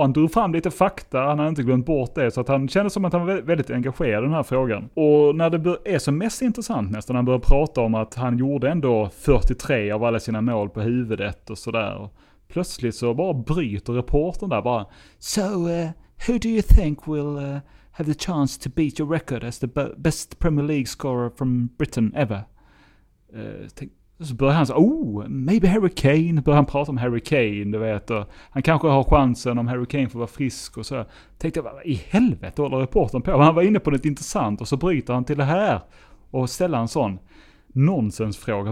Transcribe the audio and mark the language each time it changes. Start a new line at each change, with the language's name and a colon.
Swedish: Han drog fram lite fakta, han hade inte glömt bort det. Så att han kände som att han var väldigt engagerad i den här frågan. Och när det är som mest intressant nästan, han började prata om att han gjorde ändå 43 av alla sina mål på huvudet och sådär. Plötsligt så bara bryter reporten där bara,
English: so who do you think will have the chance to beat your record as the best Premier League scorer from Britain ever?
Swedish: Så börjar han säga,
English: oh, maybe Harry Kane.
Swedish: Börjar han prata om Harry Kane, du vet. Och han kanske har chansen om Harry Kane får vara frisk och så. Tänkte jag, i helvete håller reporten på. Men han var inne på något intressant och så bryter han till det här. Och ställer en sån nonsensfråga.